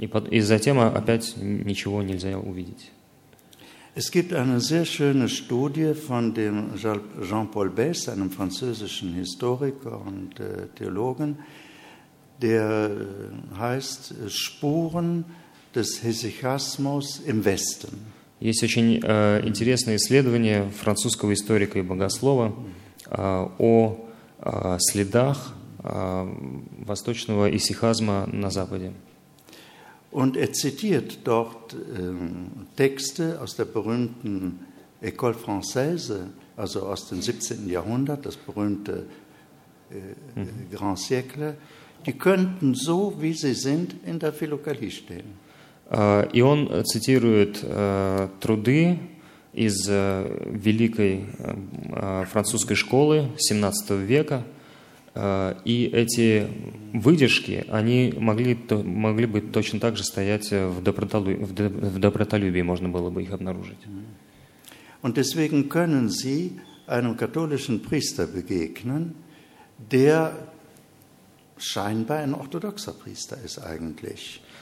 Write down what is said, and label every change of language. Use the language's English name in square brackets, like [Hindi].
[Russian] И затем опять ничего нельзя увидеть. [German] Es gibt eine sehr schöne Studie von dem Jean-Paul Bess, einem französischen Historiker und Theologen, der heißt Spuren des Hesychasmus im Westen. [Russian] Есть очень интересное исследование французского историка и богослова о следах восточного исихазма на Западе. [German] Und zitiert dort Texte aus der berühmten École française, also aus dem 17. Jahrhundert, das berühmte Grand Siècle, die könnten so, wie sie sind, in der Philokalie stehen. [Russian] И он цитирует труды из великой французской школы 17 века, и эти выдержки, они могли бы точно так же стоять в Добротолюбии, можно было бы их обнаружить. [German] Und deswegen können Sie einem katholischen Priester begegnen, der scheinbar ein orthodoxer Priester ist eigentlich.